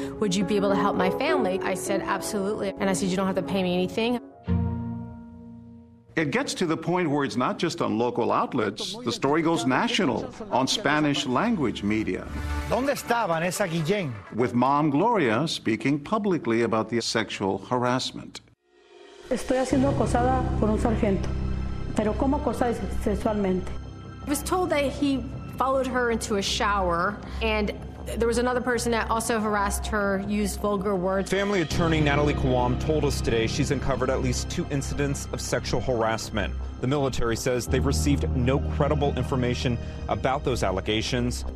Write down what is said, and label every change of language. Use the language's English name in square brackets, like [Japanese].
[English] Would you be able to help my family? I said, absolutely. And I said, you don't have to pay me anything. It gets to the point where it's not just on local outlets. The story goes national on Spanish language media. [Spanish] ¿Dónde está Vanessa Guillén? [English] With Mom Gloria speaking publicly about the sexual harassment. [Spanish] Estoy siendo acosada por un sargento, pero ¿cómo acosada sexualmente? [English] I was told that he followed her into a shower, and there was another person that also harassed her, used vulgar words. Family attorney Natalie Kwam told us today she's uncovered at least two incidents of sexual harassment. The military says they've received no credible information about those allegations.